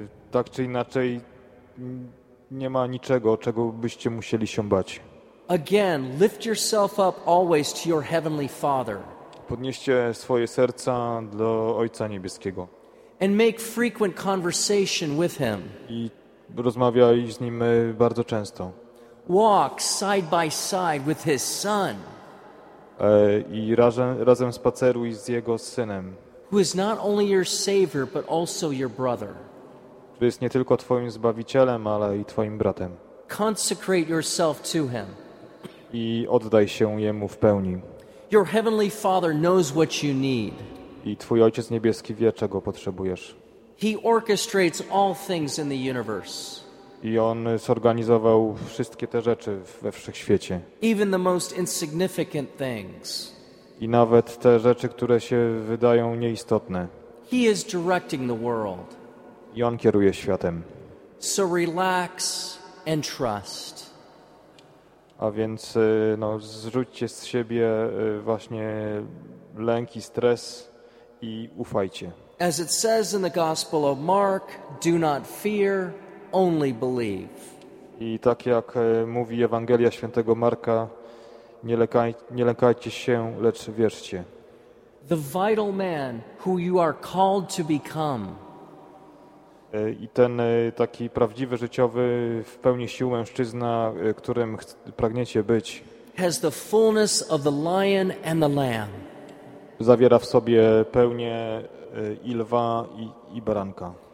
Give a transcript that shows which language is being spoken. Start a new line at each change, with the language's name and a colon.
Polish: Tak czy inaczej, nie ma niczego, czego byście musieli się bać.
English: Again, lift yourself up always to your heavenly Father.
Polish: Podnieście swoje serca do Ojca Niebieskiego.
English: And make frequent conversation with him.
Polish: I rozmawiaj z nim bardzo często.
English: Walk side by side with his Son.
Polish: I razem spaceruj z jego synem.
English: Who is not only your savior, but also your brother.
Polish: Który jest nie tylko twoim zbawicielem, ale i twoim bratem.
English: Consecrate yourself to him.
Polish: I oddaj się jemu w pełni.
English: Your heavenly Father knows what you need.
Polish: I twój Ojciec Niebieski wie, czego potrzebujesz.
English: He orchestrates all things in the universe.
Polish: I on zorganizował wszystkie te rzeczy we wszechświecie.
English: Even the most insignificant things.
Polish: I nawet te rzeczy, które się wydają nieistotne.
English: He is directing the world.
Polish: I on kieruje światem.
English: So relax and trust.
Polish: A więc no, zrzućcie z siebie właśnie lęk i stres i ufajcie.
English: As it says in the Gospel of Mark, do not fear, only believe.
Polish: I tak jak mówi Ewangelia Świętego Marka, nie lękajcie się, lecz wierzcie.
English: The vital man who you are called to become.
Polish: I ten taki prawdziwy, życiowy, w pełni sił mężczyzna, którym pragniecie być,
English: has the fullness of the lion and the lamb.
Polish: Zawiera w sobie pełnię i lwa, i baranka.